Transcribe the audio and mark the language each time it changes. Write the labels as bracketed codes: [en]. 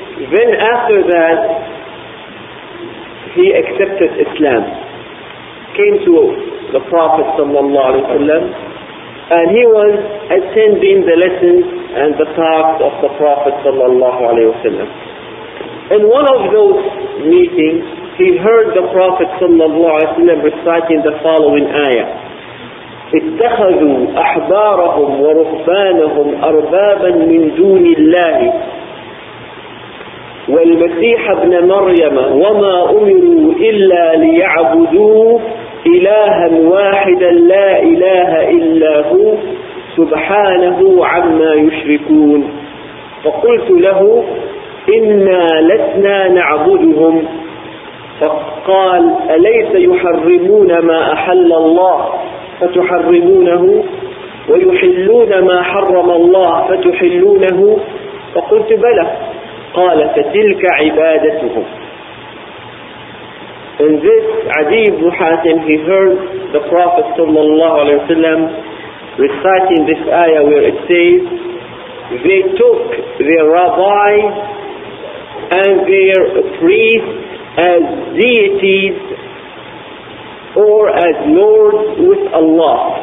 [en] Then after that, he accepted Islam, came to the Prophet sallallahu alaihi wasallam, and he was attending the lessons and the talks of the Prophet sallallahu alaihi wasallam. In one of those meetings, he heard the Prophet sallallahu alaihi wasallam reciting the following ayah: [ar] اتخذوا أحبارهم ورهبانهم أربابا من دون الله والمسيح ابن مريم وما أمروا إلا ليعبدوا إلها واحدا لا إله إلا هو سبحانه عما يشركون. فقلت له إنا لسنا نعبدهم. فقال أليس يحرمون ما أحل الله فتحرمونه ويحلون ما حرم الله فتحلونه؟ فقلت بلى. قال فتلك عبادتهم. [en] In this, Adi ibn Hatim, he heard the Prophet sallallahu alayhi wa sallam reciting this ayah where it says, they took their rabbi and their priest as deities or as lords with Allah.